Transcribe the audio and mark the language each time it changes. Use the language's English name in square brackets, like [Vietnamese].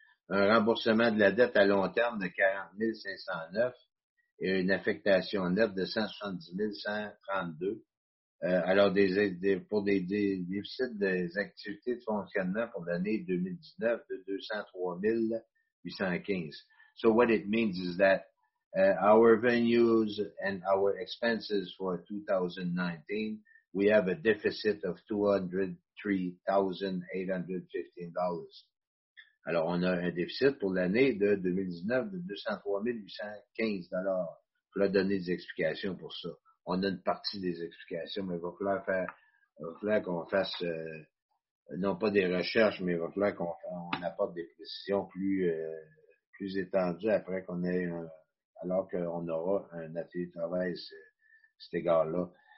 [French] Un remboursement de la dette à long terme de 40 509 et une affectation nette de 170 132. Alors, pour des déficits des activités de fonctionnement pour l'année 2019 de 203 815. [English] So what it means is that our revenues and our expenses for 2019, we have a deficit of $203,815. [French] Alors, on a un déficit pour l'année de 2019 de $203,815. Je vais donner des explications pour ça. On a une partie des explications, mais il va falloir qu'on apporte des précisions plus étendues après qu'on ait alors qu'on aura un atelier de travail à cet égard-là.